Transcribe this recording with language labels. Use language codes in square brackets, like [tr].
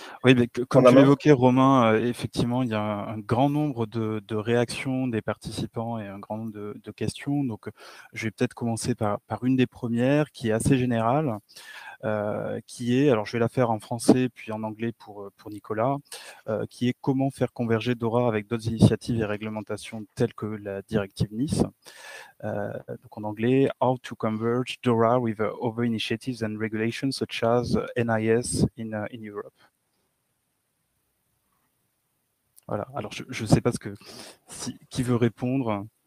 [fr] Oui, mais comme tu l'évoquais, Romain, effectivement, il y a un grand nombre de réactions des participants et un grand nombre de questions. Donc, je vais peut-être commencer par une des premières qui est assez générale. Qui est, alors je vais la faire en français puis en anglais pour Nicolas, qui est comment faire converger DORA avec d'autres initiatives et réglementations telles que la directive NIS. Donc en anglais, [en] how to converge DORA with other initiatives and regulations such as NIS in Europe. [fr] Voilà, alors je ne sais pas ce que, si, qui veut répondre.